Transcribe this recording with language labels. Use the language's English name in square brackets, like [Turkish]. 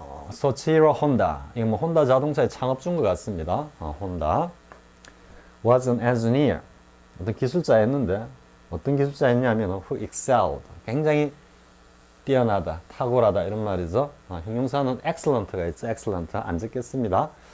[Korean] 소치로 혼다. 이거 뭐 혼다 자동차의 창업주인 것 같습니다. [English] 혼다 was an engineer. [Korean] 어떤 기술자였는데 어떤 기술자였냐면 [English] who excelled. [Korean] 굉장히 뛰어나다, 탁월하다 이런 말이죠. 형용사는 excellent가 있죠. excellent 안 적겠습니다.